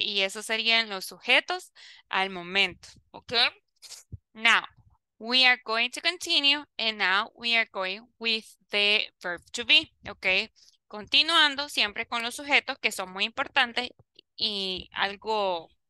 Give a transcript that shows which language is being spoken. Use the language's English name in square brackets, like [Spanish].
[Spanish] Y esos serían los sujetos al momento, ¿ok? [English] Now, we are going to continue and now we are going with the verb to be, ¿ok? [Spanish] Continuando siempre con los sujetos que son muy importantes y algo...